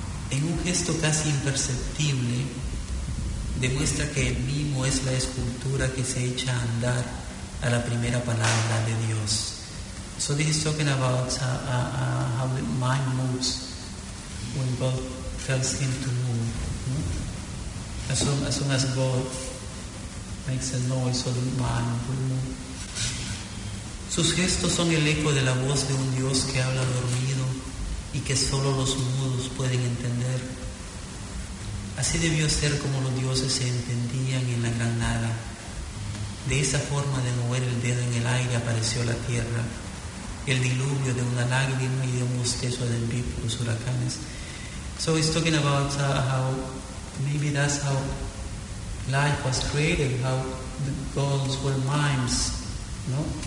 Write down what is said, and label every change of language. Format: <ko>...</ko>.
<es>En un gesto casi imperceptible, demuestra que el mimo es la escultura que se echa a andar a la primera palabra de Dios.</es> <en>So this is talking about how the mind moves when God tells him to move. No? As soon as God makes a noise, so the mind will move.</en> <es>Sus gestos son el eco de la voz de un Dios que habla dormido y que solo los mudos pueden entender. Así debió ser como los dioses se entendían en la gran nada. De esa forma de mover el dedo en el aire apareció la tierra, el diluvio de una lágrima y de un bostezo de envíos huracanes.</es> <en>So he's talking about how maybe that's how life was created, how the gods were mimes, no?</en>